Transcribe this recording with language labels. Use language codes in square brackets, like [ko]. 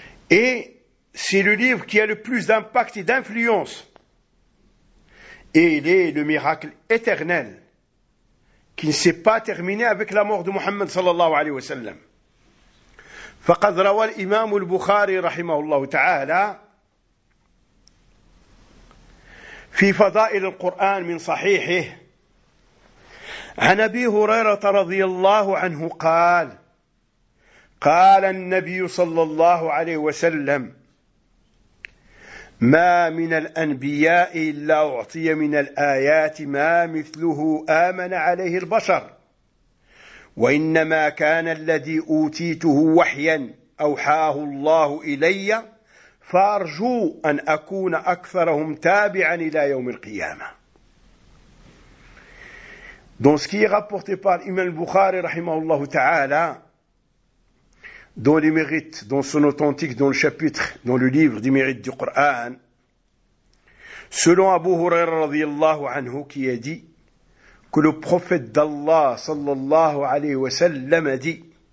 [fr] Et c'est le livre qui a le plus d'impact et d'influence. Et il est le miracle éternel qui ne s'est pas terminé avec la mort de Muhammad sallallahu alayhi wa sallam. [ar] فقد روى الإمام البخاري رحمه الله تعالى في فضائل القرآن من صحيحه عن أبي هريرة رضي الله عنه قال قال النبي صلى الله عليه وسلم ما من الأنبياء إلا أعطي من الآيات ما مثله آمن عليه البشر وإنما كان الذي أوتيته وحيا أوحاه الله إلي فأرجو أن أكون أكثرهم تابعا إلى يوم القيامة. [fr] Dans ce qui est rapporté par l'imam al-Bukhari, rahimahullah ta'ala, dans les mérites, dans son authentique, dans le chapitre, dans le livre des mérites du Coran, selon Abu Huraira radiyallahu anhu qui a dit que le prophète d'Allah sallallahu alayhi wa sallam a dit,